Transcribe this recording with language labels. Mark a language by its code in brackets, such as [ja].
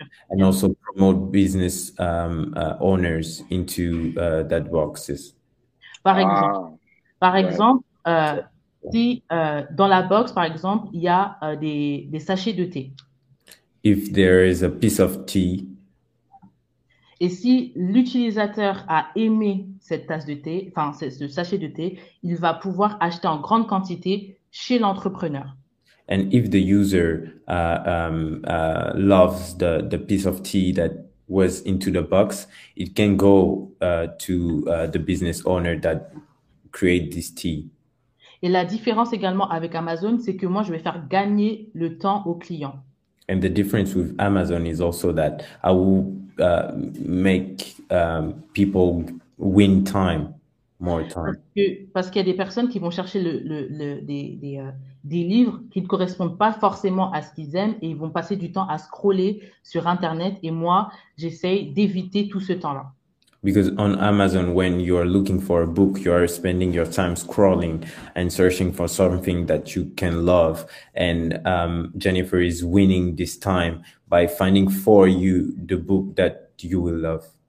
[en] And also promote business owners into that boxes. [fr] Par exemple, si dans la box, par exemple, il y a des sachets de thé. [en] If there is a piece of tea. [fr] Et si l'utilisateur a aimé cette tasse de thé, enfin ce sachet de thé, il va pouvoir acheter en grande quantité chez l'entrepreneur. [en] And if the user loves the piece of tea that was into the box, it can go to the business owner that created this tea. [fr] Et la différence également avec Amazon, c'est que moi, je vais faire gagner le temps au client. [en] And the difference with Amazon is also that I will make people win time. More time. [fr] Parce qu'il y a des personnes qui vont chercher des livres qui ne correspondent pas forcément à ce qu'ils aiment et ils vont passer du temps à scroller sur Internet et moi, j'essaye d'éviter tout ce temps-là. [en] Because on Amazon, when you are looking for a book, you are spending your time scrolling and searching for something that you can love. And Jennifer is winning this time by finding for you the book that you will love.